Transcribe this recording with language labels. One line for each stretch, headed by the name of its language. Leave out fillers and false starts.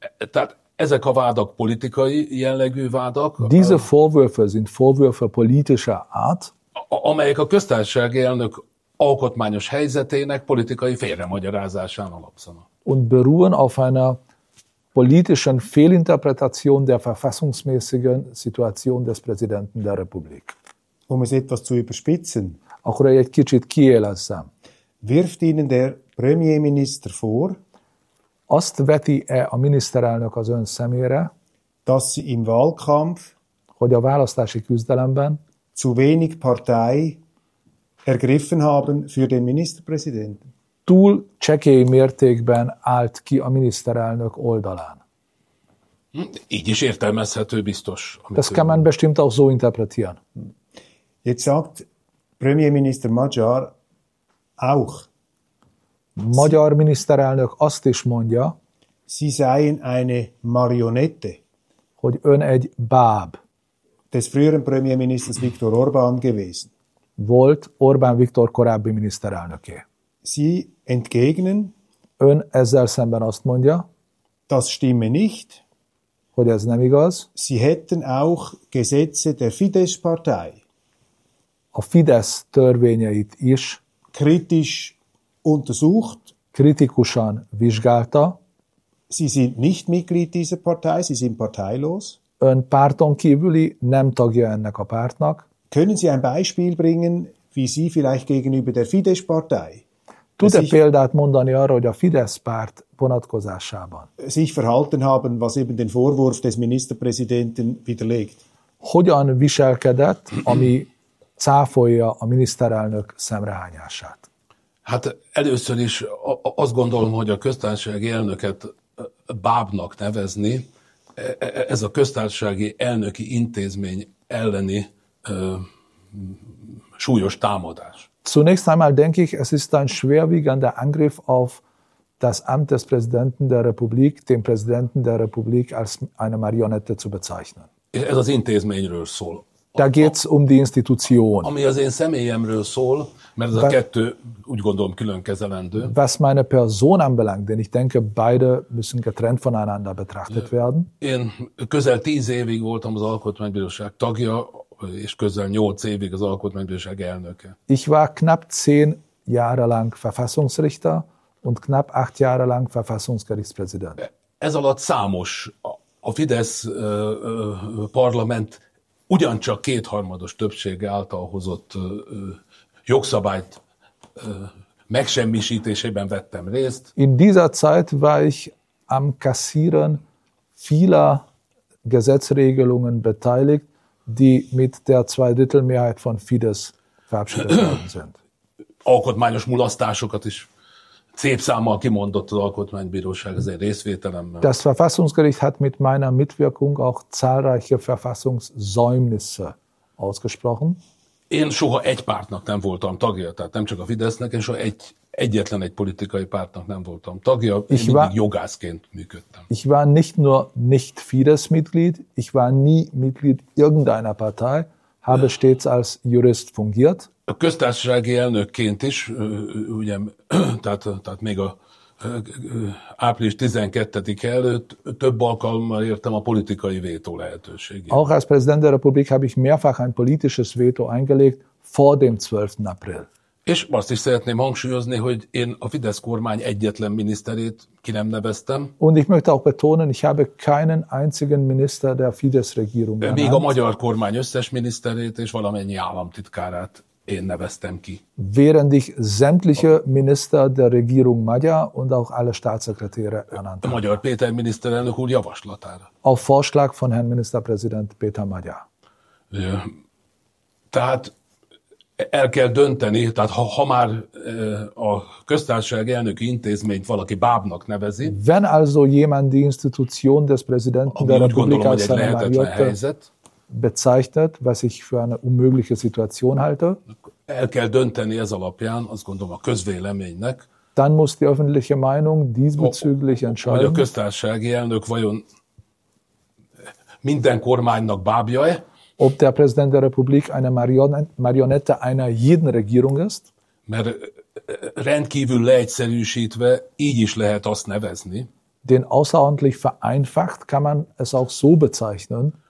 Hungarian: Tehát ezek a vádak politikai jellegű vádak.
German: Diese Vorwürfe sind Vorwürfe politischer Art.
Hungarian: Amelyek a köztársasági elnök alkotmányos helyzetének politikai félremagyarázásán alapszanak.
German: Und beruhen auf einer politischen Fehlinterpretation der verfassungsmäßigen Situation des Präsidenten der Republik. Um es etwas zu überspitzen.
Hungarian: Akkor egy kicsit kiélezzem.
German: Wirft Ihnen der Premierminister vor,
Hungarian: azt veti-e a miniszterelnök az ön szemére,
German: dass Sie im Wahlkampf,
Hungarian: hogy a választási küzdelemben
German: zu wenig Partei ergriffen haben für den Ministerpräsidenten?
Hungarian: Túl csekély mértékben állt ki a miniszterelnök oldalán. Így is értelmezhető biztos.
German: Das kann man bestimmt auch so interpretieren. Jetzt sagt Premierminister Magyar auch.
Hungarian: Magyar miniszterelnök azt is mondja,
German: Sie seien eine Marionette,
Hungarian: hogy ön egy báb.
German: Des früheren Premierministers Viktor Orbán gewesen.
Hungarian: Volt Orbán Viktor korábbi miniszterelnöké.
German: Sie entgegnen,
Hungarian: ön ezzel szemben azt mondja,
German: das stimme nicht,
Hungarian: hogy ez nem igaz.
German: Sie hätten auch Gesetze der Fidesz-Partei.
Hungarian: A Fidesz törvényeit is
German: kritisch untersucht,
Hungarian: kritikusan vizsgálta.
German: Sie sind nicht Mitglied dieser Partei, Sie sind parteilos.
Hungarian: Ön párton kívüli, nem tagja ennek a pártnak.
German: Können Sie ein Beispiel bringen, wie Sie vielleicht gegenüber der Fidesz-Partei
Hungarian: tud-e példát mondani arra, hogy a Fidesz párt vonatkozásában
German: sich verhalten haben, was eben den Vorwurf des Ministerpräsidenten widerlegt.
Hungarian: Hogyan viselkedett, ami cáfolja a miniszterelnök szemrehányását? Hát először is azt gondolom, hogy a köztársasági elnöket bábnak nevezni, ez a köztársasági elnöki intézmény elleni súlyos támadás.
German: Zunächst einmal denke ich, es ist ein schwerwiegender Angriff auf das Amt des Präsidenten der Republik, den Präsidenten der Republik als eine Marionette zu bezeichnen.
Hungarian: Ez az intézményről szól.
German: Da geht's um die Institution.
Hungarian: Ami az én személyemről szól, mert ez a kettő úgy gondolom külön kezelendő.
German: Was meine Person anbelangt, denn ich denke, beide müssen getrennt voneinander betrachtet werden.
Hungarian: Én közel 10 évig voltam az Alkotmánybíróság tagja, és közel 8 évig az Alkotmánybíróság elnöke.
German: Ich war knapp 10 Jahre lang Verfassungsrichter und knapp 8 Jahre lang Verfassungsgerichtspräsident.
Hungarian: Ez alatt számos a Fidesz parlament ugyancsak kétharmados többsége által hozott jogszabályt megsemmisítésében vettem részt.
German: In dieser Zeit war ich am Kassieren vieler Gesetzregelungen beteiligt, die mit der Zweidrittelmehrheit von Fidesz verabschiedet worden sind.
Hungarian: Alkotmányos mulasztásokat is szép számmal kimondott az Alkotmánybíróság az én részvételemmel.
German: Das Verfassungsgericht hat mit meiner Mitwirkung auch zahlreiche Verfassungssäumnisse ausgesprochen.
Hungarian: Én soha egy pártnak nem voltam tagja, tehát nem csak a Fidesznek, én soha egyetlen egy politikai pártnak nem voltam tagja,
German: ich
Hungarian: mindig jogászként működtem.
German: Ich war nicht nur nicht Fidesz-Mitglied, ich war nie Mitglied irgendeiner Partei, habe stets als Jurist fungiert.
Hungarian: A köztársasági elnökként is, ugye, tehát még a április 12-e előtt több alkalommal értem a politikai vétó lehetőségét.
German: Auch als Präsident der Republik habe ich mehrfach ein politisches Veto eingelegt vor dem 12. April.
Hungarian: És azt is szeretném hangsúlyozni, hogy én a Fidesz kormány egyetlen miniszterét ki nem neveztem.
German: Und ich möchte auch betonen, ich habe keinen einzigen Minister der Fidesz-Regierung genannt.
Hungarian: Még a magyar kormány összes miniszterét és valamennyi államtitkárát én neveztem ki.
German: Während ich sämtliche Minister der Regierung magyar und auch alle Staatssekretäre ernannt habe.
Hungarian: Magyar Péter miniszterelnök úr javaslatára.
German: Auf Vorschlag von Herrn Ministerpräsident Péter Magyar. Ja.
Hungarian: Tehát el kell dönteni, tehát ha már a köztársaság elnöki intézményt valaki bábnak nevezi.
German: Wenn also jemand die Institution des Präsidenten der Republik als seine Majorte bezeichnet, was ich für eine unmögliche Situation halte.
Hungarian: El kell dönteni ez alapján, azt gondolom, a közvéleménynek.
German: Dann muss die öffentliche Meinung diesbezüglich entscheiden.
Hungarian: Vagy a köztársasági elnök vajon minden kormánynak bábja-e?
German: Ob der Präsident der Republik eine Marionette einer jeden Regierung ist?
Hungarian: Mert rendkívül leegyszerűsítve így is lehet azt nevezni.
German: Den außerordentlich vereinfacht kann man es auch so bezeichnen,